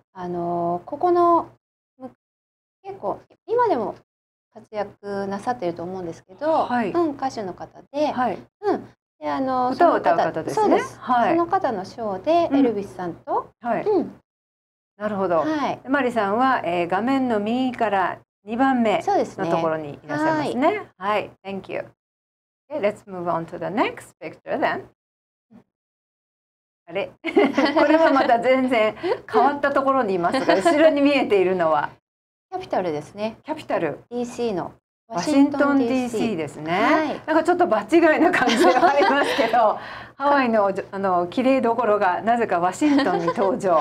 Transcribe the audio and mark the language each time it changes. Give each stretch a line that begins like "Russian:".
Japanese: ここの結構今でも活躍なさってると思うんですけど、はい、うん、歌手の方で、はい、うん、で歌を歌う方ですね。そうです、はい、その方のショーでエルビスさんと、うん、はい、うん、なるほど、はい、マリさんは、画面の右から2番目のところにいらっしゃいますね。はい、
English: はい、Thank you. Okay, let's move on to the next picture then.
Japanese: あれこれはまた全然変わったところにいますが、後ろに見えているのはキャピタルですね。キャピタル DC のワシントン DC ですね、はい、なんかちょっと場違いな感じがありますけどハワイの綺麗どころがなぜかワシントンに登場